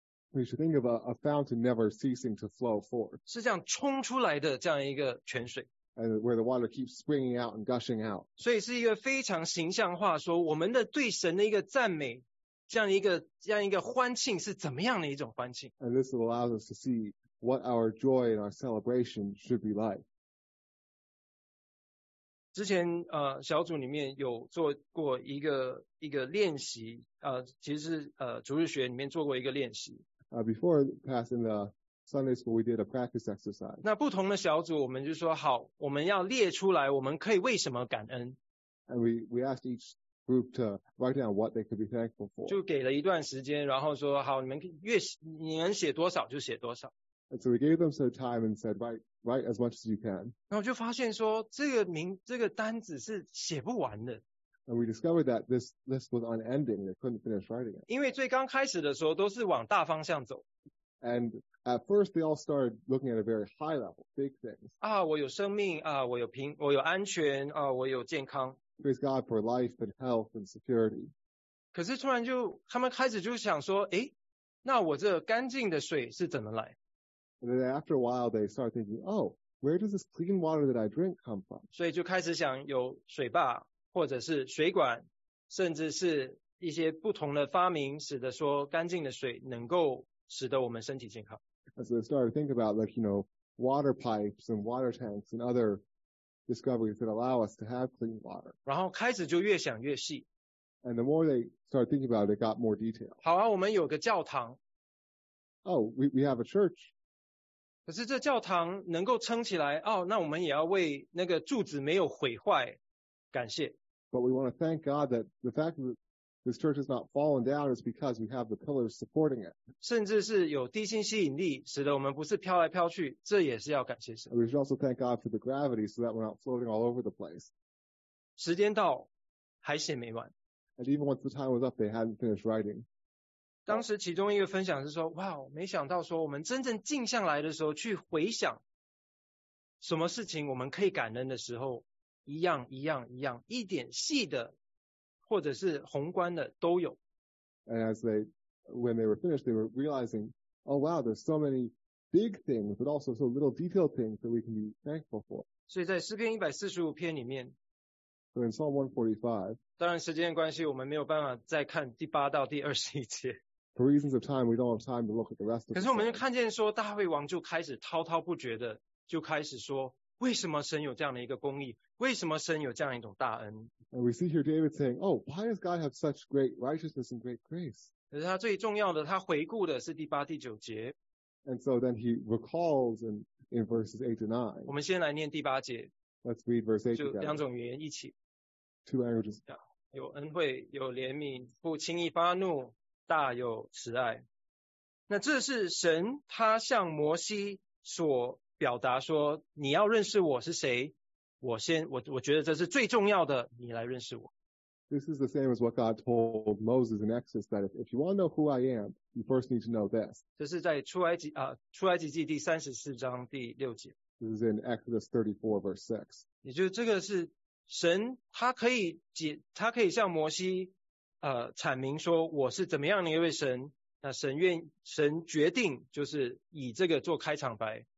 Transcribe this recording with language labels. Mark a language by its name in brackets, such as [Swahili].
[English] We should think of a fountain never ceasing to flow forth. [Chinese] 是这样冲出来的这样一个泉水。 [English] And where the water keeps springing out and gushing out. [Chinese] 所以是一个非常形象化说我们的对神的一个赞美这样一个欢庆是怎么样的一种欢庆。 [English] And this allows us to see what our joy and our celebration should be like. [Chinese] 之前小组里面有做过一个练习其实主日学里面做过一个练习。 [English] Before passing the Sunday school, we did a practice exercise. [Chinese] 那不同的小组我们就说好我们要列出来我们可以为什么感恩。 [English] And we asked each group to write down what they could be thankful for. [Chinese] 就给了一段时间然后说好你们写多少就写多少。 [English] And so we gave them some time and said, write as much as you can. [Chinese] 那我就发现说这个单子是写不完的。 [English] And we discovered that this list was unending, they couldn't finish writing it. [Chinese] 因为最刚开始的时候都是往大方向走。 [English] And at first they all started looking at a very high level, big things. [Chinese] 啊我有生命啊我有安全啊我有健康。 [English] Praise God for life and health and security. [Chinese] 可是突然就他们开始就想说诶那我这干净的水是怎么来。 [English] And then after a while they started thinking, oh, where does this clean water that I drink come from? [Chinese] 所以就开始想有水坝。或者是水管甚至是一些不同的发明使得说干净的水能够使得我们身体健康。 [English] And so they started to think about like, you know, water pipes and water tanks and other discoveries that allow us to have clean water. [Chinese] 然后开始就越想越细。 [English] And the more they started thinking about it, it got more detail. [Chinese] 好啊我们有个教堂。 [English] Oh, we have a church. [Chinese] 可是这教堂能够撑起来哦那我们也要为那个柱子没有毁坏。感谢。 [English] But we want to thank God that the fact that this church has not fallen down is because we have the pillars supporting it. [Chinese] 甚至是有地心吸引力使得我们不是飘来飘去这也是要感谢神。 [English] We should also thank God for the gravity so that we're not floating all over the place. [Chinese] 时间到还写没完。 [English] And even once the time was up, they hadn't finished writing. [Chinese] 当时其中一个分享是说哇没想到说我们真正静下来的时候去回想什么事情我们可以感恩的时候一样一样一样一点细的或者是宏观的都有。 [English] And as they, when they were finished, they were realizing, oh wow, there's so many big things, but also so little detailed things that we can be thankful for. [Chinese] 所以在诗篇145篇里面 [English] So in Psalm 145, [Chinese] 当然时间的关系我们没有办法再看第八到第二十一节。 [English] For reasons of time, we don't have time to look at the rest of it. [Chinese] 可是我们就看见说大卫王就开始滔滔不绝的就开始说为什么神有这样的一个公义为什么神有这样一种大恩 [English] And we see here David saying, oh, why does God have such great righteousness and great grace? [Chinese] 可是他最重要的他回顾的是第八第九节。 [English] And so then he recalls in verses 8 to 9. [Chinese] 我们先来念第八节。 [English] Let's read verse 8 together. [Chinese] 就两种语言一起。 [English] Two languages. [Chinese] 有恩惠有怜悯不轻易发怒大有慈爱。那这是神他向摩西所表达说你要认识我是谁我觉得这是最重要的你来认识我。 [English] This is the same as what God told Moses in Exodus that if you want to know who I am, you first need to know this. [Chinese] 这是在出埃及记第34章第6节。 [English] This is in Exodus 34 verse 6. [Chinese] 也就是这个是神他可以向摩西阐明说我是怎么样的一位神那神决定就是以这个做开场白。